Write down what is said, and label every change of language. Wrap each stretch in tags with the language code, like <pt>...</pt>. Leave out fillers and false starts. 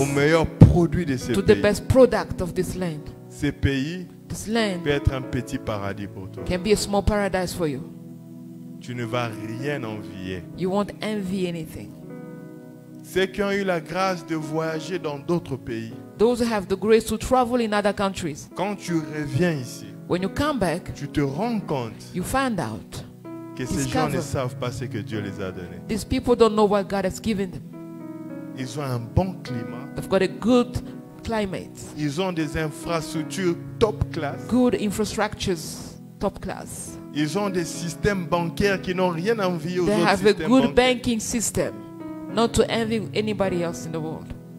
<fr>aux meilleurs produits de ce</fr> <en>to</en> <fr>pays,</fr> <en>to the best product of this land.</en> <fr>Ce pays,</fr> <en>this land,</en> <fr>peut être un petit paradis pour toi.</fr> <en>Can be a small paradise for you.</en> <fr>Tu ne vas rien envier.</fr> <en>You won't envy anything.</en> <fr>Ceux qui ont eu la grâce de voyager dans d'autres pays.</fr> <en>Those who have the grace to travel in other countries.</en> <fr>Quand tu reviens ici,</fr> <en>when you come back,</en> <fr>tu te rends compte,</fr> <en>you find out,</en> <fr>que ces gens ne savent pas ce que Dieu les a donné.</fr> <en>These people don't know what God has given them.</en> <fr>Ils ont un bon climat.</fr> <en>They've got a good climate.</en> <fr>Ils ont des infrastructures</fr> <en>top class. Good infrastructures, top class.</en> <fr>Ils ont des systèmes bancaires qui n'ont rien à envier aux autres systèmes</fr> <en>They have a good banking system, not to envy anybody else in the world.</en>